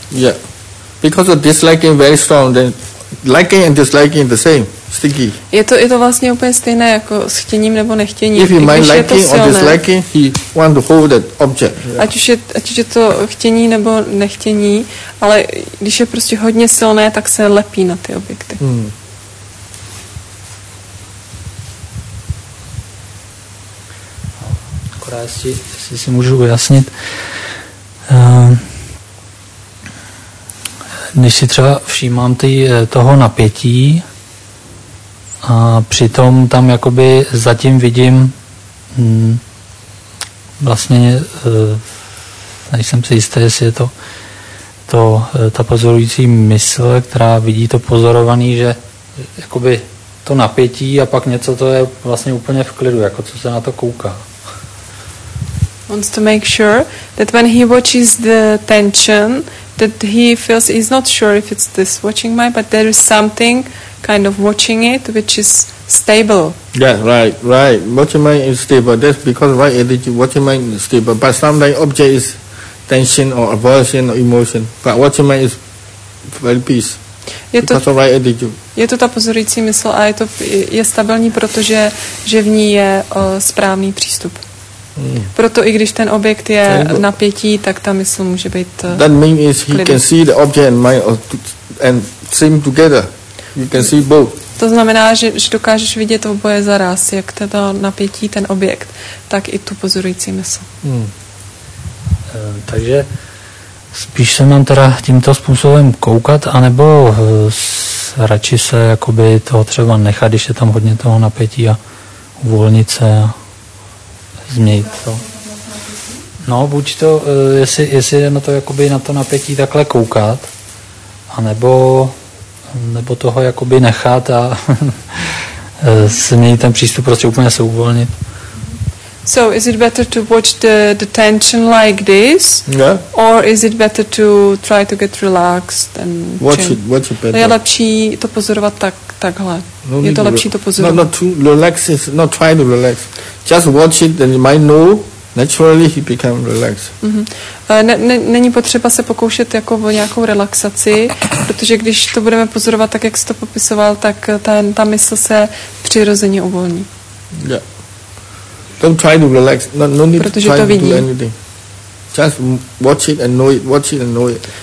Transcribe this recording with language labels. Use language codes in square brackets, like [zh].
[en] Yeah, because of disliking very strong, then liking and disliking the same. Sticky. [cs] Je to vlastně úplně stejné jako s chtěním nebo nechtěním. [en] If he mind liking or disliking, he want to hold that object. Yeah. [cs] Ať už je to chtění nebo nechtění, ale když je prostě hodně silné, tak se lepí na ty objekty. Hmm. Jestli si můžu ujasnit. Když si třeba všímám toho napětí a přitom tam jakoby zatím vidím vlastně nejsem si jistý, jestli je to ta pozorující mysl, která vidí to pozorovaný, že jakoby to napětí a pak něco to je vlastně úplně v klidu, jako co se na to kouká. [en] Wants to make sure that when he watches the tension, that he feels he's not sure if it's this watching mind, but there is something kind of watching it, which is stable. Yeah, right. Watching mind is stable. That's because right attitude, watching mind is stable. But sometimes object is tension or aversion or emotion. But watching mind is very peace. [cs] Je to, [en] because of right attitude. [cs] Je to ta pozorující mysl a je stabilní, protože v ní je správný přístup. Proto i když ten objekt je napětí, tak ta mysl může být klidný. [en] That means is he can see the object and mind and seem together. You can see both. [cs] To znamená, že dokážeš vidět oboje za raz, jak to napětí, ten objekt, tak i tu pozorující mysl. Takže spíš se mám teda tímto způsobem koukat, anebo radši se jakoby toho třeba nechat, když je tam hodně toho napětí a uvolnit se a změnit to. No, buď to, jestli je na to, jakoby na to napětí takhle koukat, anebo toho jakoby nechat a změnit ten přístup, prostě úplně se uvolnit. [en] So, is it better to watch the tension like this? Yeah. Or is it better to try to get relaxed and watch it better? [cs] Je lepší to pozorovat takhle. Je to lepší to pozorovat. [en] Not to relax, is not try to relax. Just watch it and you might know naturally he become relaxed. Mm-hmm. [cs] Není potřeba se pokoušet jako o nějakou relaxaci, protože když to budeme pozorovat tak, jak jsi to popisoval, tak ta mysl se přirozeně uvolní. [en] Yeah. Don't try to relax. No need [cs] protože [en] to try [cs] to vidí. [en] To do anything. Just watch it and know it. Watch it and know it.